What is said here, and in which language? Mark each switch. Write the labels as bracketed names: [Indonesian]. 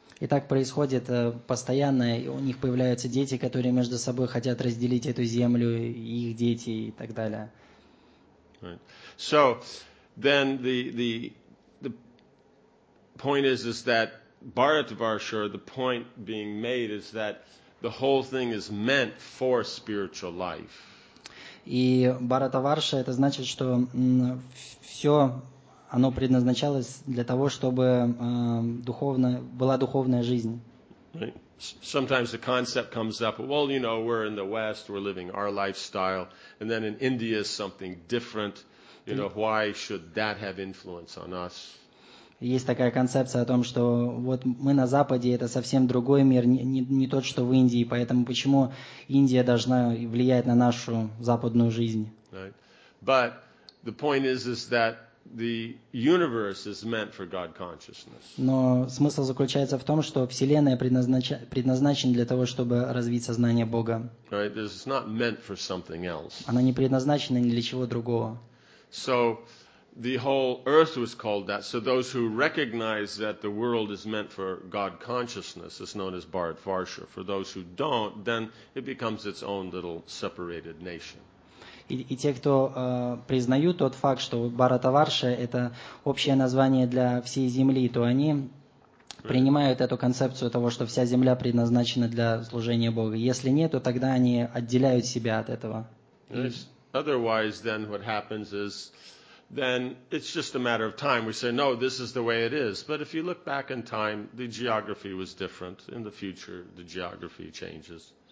[Russian] И так происходит постоянно. У них появляются дети, которые между собой хотят разделить эту землю, их дети и так далее. [English] Right. So then the point is that Bharatvarsha, the point being made is that the whole thing is meant for spiritual life. [Russian] И Бхаратаварша, это значит, что все оно предназначалось для того, чтобы была духовная жизнь. [English] Sometimes the concept comes up, well, you know, we're in the West, we're living our lifestyle, and then in India is something different. You know, why should that have influence on us? [Russian] Есть такая концепция о том, что вот мы на Западе, это совсем другой мир, не тот, что в Индии, поэтому почему Индия должна влиять на нашу западную жизнь? [English] Right. But the point is that the universe is meant for God consciousness. [Russian] Но смысл заключается в том, что Вселенная предназначена для того, чтобы развить сознание Бога. [English] Right. This is not meant for something else. [Russian] Она не предназначена ни для чего другого. [English] So the whole earth was called that. So those who recognize that the world is meant for God consciousness is known as Bharatvarsha. For those who don't, then it becomes its own little separated nation. [Russian] И те, кто признают тот факт, что Бхаратаварша – это общее название для всей Земли, то они принимают эту концепцию того, что вся Земля предназначена для служения Бога. Если нет, то тогда они отделяют себя от этого. [English] Otherwise, then what happens is, then it's just a matter of time. We say, no, this is the way it is. But if you look back in time, the geography was different. In the future, the geography changes.